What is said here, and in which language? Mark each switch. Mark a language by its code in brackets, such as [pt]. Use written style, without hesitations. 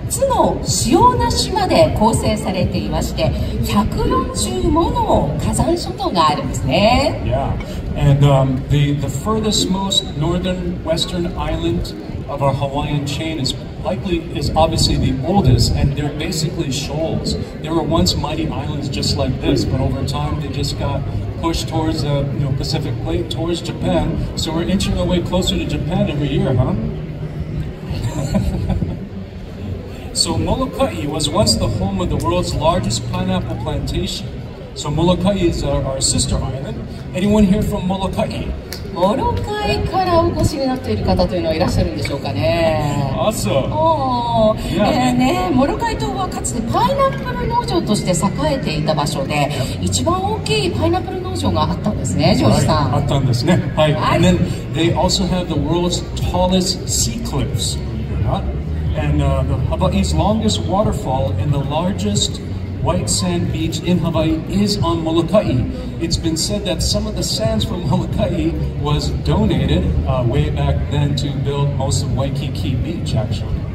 [ja] Hawaii島はですね、8つの主要な島で構成されていまして、140 もの火山諸島があるんですね。 [en] Yeah. And the furthest most northern western island of our Hawaiian chain is obviously the oldest, and they're basically shoals. There were once mighty islands just like this, but over time they just got pushed towards the Pacific plate, towards Japan. So we're inching our way closer to Japan every year, huh? So Molokai was once the home of the world's largest pineapple plantation. So Molokai is our sister island. Anyone here from Molokai? [ja] Molokai からお越しになっている方というのはいらっしゃるんでしょうかね。 [en] Awesome. Oh, yeah. [ja] ね、Molokai 島はかつてパイナップル農場として栄えていた場所で、一番大きいパイナップル農場があったんですね、ジョージさん。あったんですね。はい。 [en] And then they also have the world's tallest sea cliffs, believe it or not. And the Hawaii's longest waterfall and the largest white sand beach in Hawaii is on Molokai. It's been said that some of the sands from Molokai was donated way back then to build most of Waikiki Beach, actually.